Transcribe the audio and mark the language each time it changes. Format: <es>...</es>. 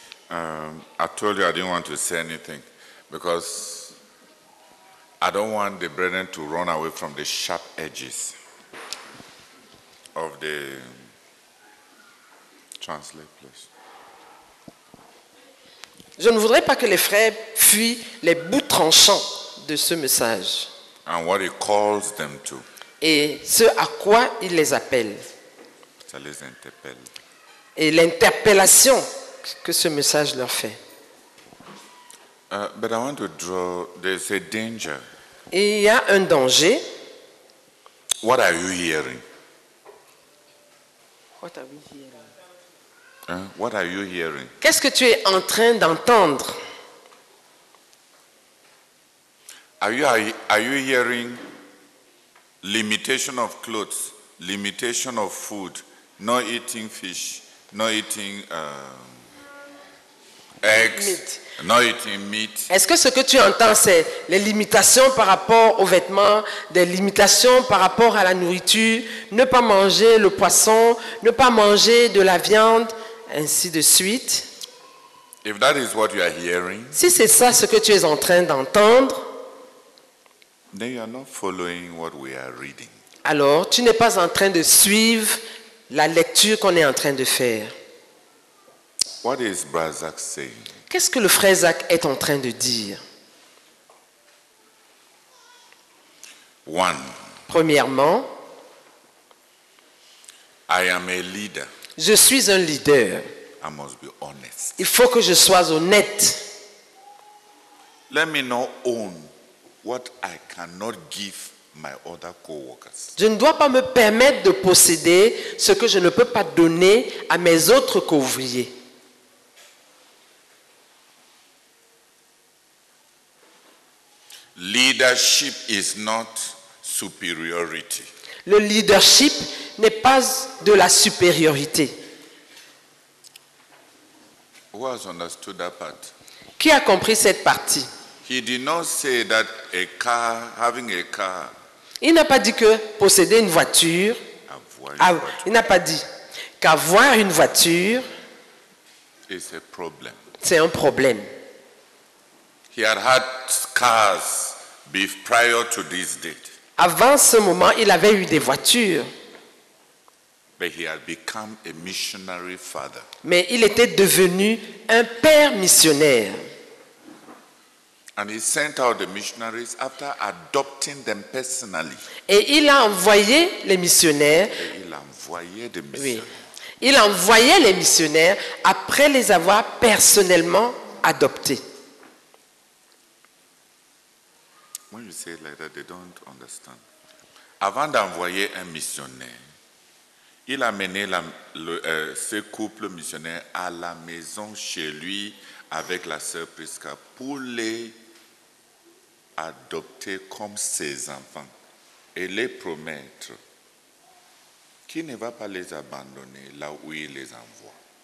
<en>I told you I didn't want to say anything because I don't want the brethren to run away from the sharp edges of the translate, please.</en> <fr>Je ne voudrais pas que les frères fuient les bouts tranchants de ce message.</fr> <en>And what he calls them to.</en> <fr>Et ce à quoi il les appelle. Ça les interpelle. Et l'interpellation que ce message leur fait.</fr> <en>But I want to draw, there's a danger.</en> <fr>Il y a un danger.</fr> <en>What are you hearing? What are we hearing? What are you hearing?</en> <fr>Qu'est-ce que tu es en train d'entendre?</fr> <en>Are you hearing limitation of clothes, limitation of food, not eating fish, not eating eggs, meat. Not eating meat.</en> <fr>Est-ce que ce que tu entends, c'est les limitations par rapport aux vêtements, des limitations par rapport à la nourriture, ne pas manger le poisson, ne pas manger de la viande, ainsi de suite?</fr> <en>If that is what you are hearing,</en> <fr>si c'est ça ce que tu es en train d'entendre,</fr> <en>then you are not following what we are reading.</en> <fr>Alors, tu n'es pas en train de suivre la lecture qu'on est en train de faire.</fr> <en>What is Brother Zach saying?</en> <fr>Qu'est-ce que le frère Zach est en train de dire?</fr> <en>One.</en> <fr>Premièrement,</fr> <en>I am a leader.</en> <fr>Je suis un leader.</fr> <en>I must be honest.</en> <fr>Il faut que je sois honnête.</fr> <en>Let me not own what I cannot give my other co-workers.</en> <fr>Je ne dois pas me permettre de posséder ce que je ne peux pas donner à mes autres co-ouvriers.</fr> <en>Leadership is not superiority.</en> <fr>Le leadership n'est pas de la supériorité.</fr> <en>Who has understood that part?</en> <fr>Qui a compris cette partie?</fr> <en>He did not say that a car, having a car.</en> <fr>Il n'a pas dit que posséder une voiture. Il n'a pas dit qu'avoir une voiture.</fr> <en>Is a problem.</en> <fr>C'est un problème.</fr> <en>He had had cars prior to this date.</en> <fr>Avant ce moment, il avait eu des voitures.</fr> <en>But he had become a missionary father.</en> <fr>Mais il était devenu un père missionnaire.</fr> <en>And he sent out the missionaries after adopting them personally.</en> <fr>Et il a envoyé les missionnaires. Et il a envoyé des missionnaires. Oui. Il a envoyé les missionnaires après les avoir personnellement adoptés.</fr> <en>When you say it like that, they don't understand.</en> <fr>Avant d'envoyer un missionnaire, il a mené ce couple missionnaire à la maison chez lui avec la sœur Prisca pour les adopter comme ses enfants et les promettre qu'il ne va pas les abandonner là où il les envoie.</fr>